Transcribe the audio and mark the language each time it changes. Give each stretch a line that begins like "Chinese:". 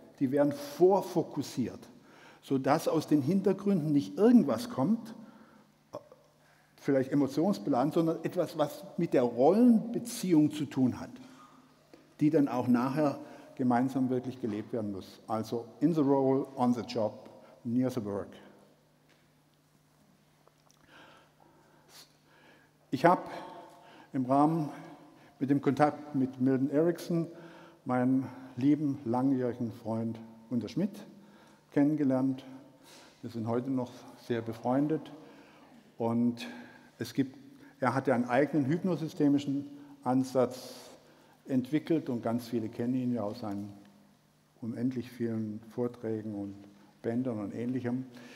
German: Die werden vorfokussiert, sodass aus den Hintergründen nicht irgendwas kommt, vielleicht emotionsbeladen, sondern etwas, was mit der Rollenbeziehung zu tun hat, die dann auch nachher gemeinsam wirklich gelebt werden muss.
English: Also in the role, on the job, near the work.
German: Ich habe im Rahmen mit dem Kontakt mit Milton Erickson meinen lieben langjährigen Freund Gunter Schmidt kennengelernt. Wir sind heute noch sehr befreundet. Und er hat ja einen eigenen hypnosystemischen Ansatz entwickelt und ganz viele kennen ihn ja aus seinen unendlich vielen Vorträgen und Bändern und Ähnlichem.